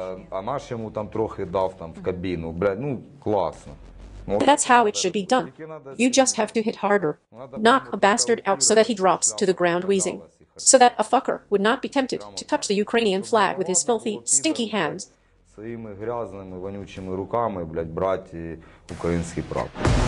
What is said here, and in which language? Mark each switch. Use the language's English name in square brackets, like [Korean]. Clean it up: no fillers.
[Ukrainian] А Маш йому там трохи дав там в кабіну, блядь, ну, класно. [English] That's how it should be done. You just have to hit harder. Knock a bastard out so that he drops to the ground wheezing. So that a fucker would not be tempted to touch the Ukrainian flag with his filthy, stinky hands. [Ukrainian] Своїми грязними, вонючими руками, блядь, брати український прапор.